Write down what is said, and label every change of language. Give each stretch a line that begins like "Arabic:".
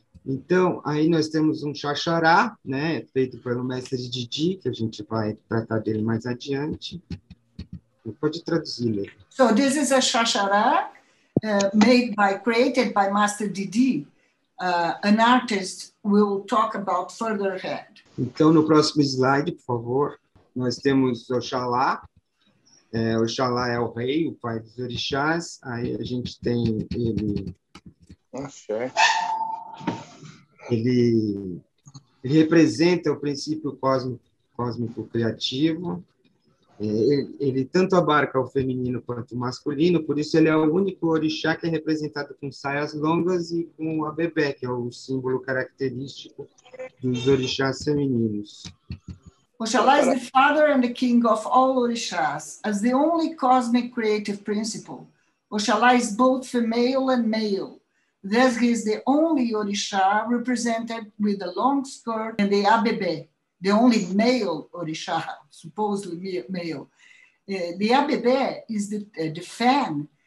Portuguese: Então, aí nós temos um xaxará, né, feito pelo mestre Didi, que a gente vai tratar dele mais adiante. Pode traduzir, Lê.
English: So, this is a xaxará created by Master Didi. An artist will talk about further ahead.
Portuguese: Então, no próximo slide, por favor. Nós temos Oxalá, Oxalá é o rei, o pai dos orixás, aí a gente tem ele, ele representa o princípio cósmico criativo, ele tanto abarca o feminino quanto o masculino, por isso ele é o único orixá que é representado com saias longas e com a bebê, que é o símbolo característico dos orixás femininos.
English: Oxalá is the father and the king of all orishas. As the only cosmic creative principle, Oxalá is both female and male. Thus, he is the only orisha represented with a long skirt and the abebe, the only male orisha, supposedly male. The abebe is the fan